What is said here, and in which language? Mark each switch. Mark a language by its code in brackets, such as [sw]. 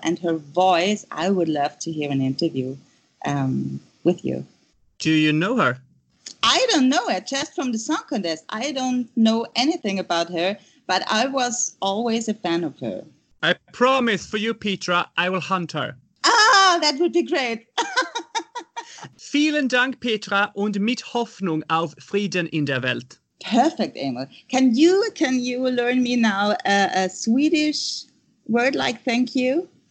[en] And her voice, I would love to hear an interview with you. Do you know her? I don't know her, just from the song contest. I don't know anything about her, but I was always a fan of her. I promise for you, Petra, I will hunt her. Ah, that would be great. [de] Vielen Dank, Petra, und mit Hoffnung auf Frieden in der Welt. [en] Perfect, Emil. Can you learn me now a Swedish word like thank you?